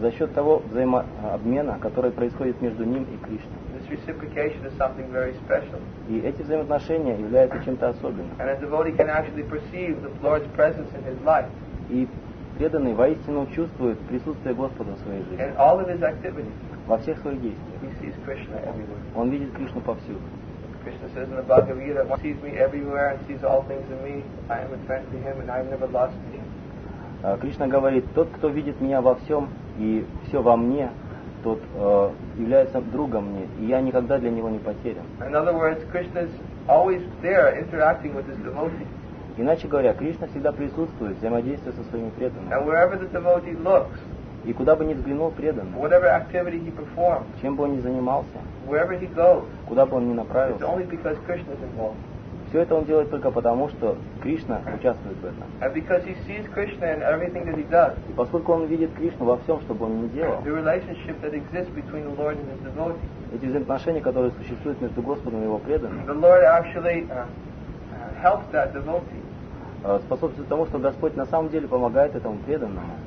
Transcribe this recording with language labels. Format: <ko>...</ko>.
<ru>За счет того взаимообмена, который происходит между ним и Кришной.</ru> <en>This reciprocation is something very special.</en> <ru>И эти взаимоотношения являются чем-то особенным.</ru> <en>And a devotee can actually perceive the Lord's presence in his life.</en> <ru>И преданный воистину чувствует присутствие Господа в своей жизни.</ru> <en>In all of his activities.</en> <ru>Во всех своих действиях.</ru> <en>He sees Krishna everywhere.</en> <ru>Он видит Кришну повсюду.</ru> <en>Krishna says in the Bhagavad Gita, one sees me everywhere and sees all things in me. I am a friend to him and I have never lost him.</en> <ru>Кришна говорит, тот, кто видит меня во всем и все во мне, тот является другом мне, и я никогда для него не потерян.</ru> <en>In other words, Krishna is always there interacting with his devotee.</en> <ru>Иначе говоря, Кришна всегда присутствует, взаимодействуя со своими преданными.</ru> <en>And wherever the devotee looks,</en> <ru>и куда бы ни взглянул преданный,</ru> <en>whatever activity he performs,</en> <ru>чем бы он ни занимался,</ru> <en>wherever he goes,</en> <ru>куда бы он ни направился,</ru> <en>it's only because Krishna is involved.</en> <ru>Все это он делает только потому, что Кришна участвует в этом.</ru> <en>And because he sees Krishna in everything that he does.</en> <ru>И поскольку он видит Кришну во всем, что бы он ни делал.</ru> <en>The relationship that exists between the Lord and his devotee.</en> <ru>Эти взаимоотношения, которые существуют между Господом и его преданным.</ru> <en>The Lord actually helps that devotee.</en> <ru>Способствует тому, что Господь на самом деле помогает этому преданному.</ru>